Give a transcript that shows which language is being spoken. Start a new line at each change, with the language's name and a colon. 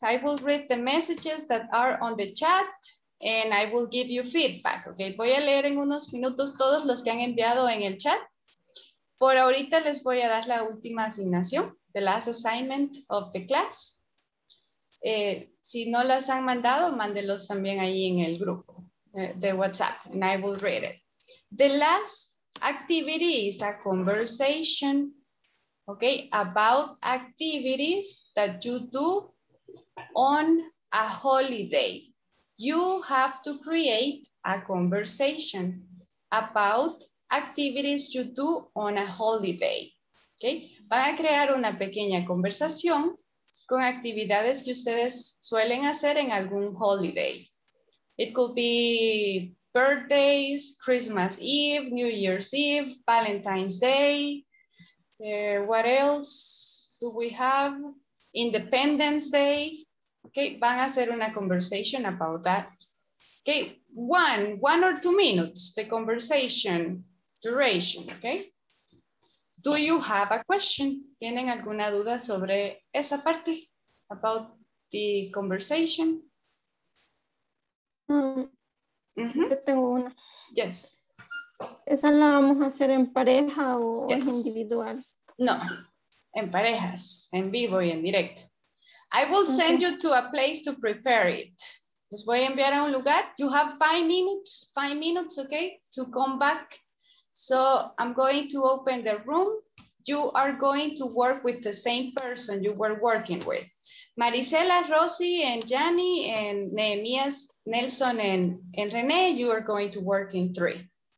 English: I will read the messages that are on the chat and I will give you feedback. Okay.
Spanish: Voy a leer en unos minutos todos los que han enviado en el chat. Por ahorita les voy a dar la última asignación,
English: the last assignment of the class.
Spanish: Si no las han mandado, mándelos también ahí en el grupo de WhatsApp,
English: and I will read it. The last activity is a conversation, okay, about activities that you do on a holiday. You have to create a conversation about activities you do on a holiday, okay?
Spanish: Van a crear una pequeña conversación con actividades que ustedes suelen hacer en algún holiday.
English: It could be birthdays, Christmas Eve, New Year's Eve, Valentine's Day. What else do we have? Independence Day.
Spanish: Okay, van a hacer una
English: conversation about that. Okay, one or 2 minutes, the conversation duration, okay? Do you have a question?
Spanish: ¿Tienen alguna duda sobre esa parte?
English: About the conversation?
Spanish: Mm-hmm. Yo tengo una.
English: Yes.
Spanish: ¿Esa la vamos a hacer en pareja o yes. Es individual? No, en parejas, en vivo y en directo.
English: I will okay. Send you to a place to prepare it.
Spanish: Les voy a enviar a un lugar.
English: You have 5 minutes, okay, to come back. So I'm going to open the room. You are going to work with the same person you were working with. Maricela, Rosie, and Gianni, and Nehemiah, Nelson, and Renee, you are going to work in 3.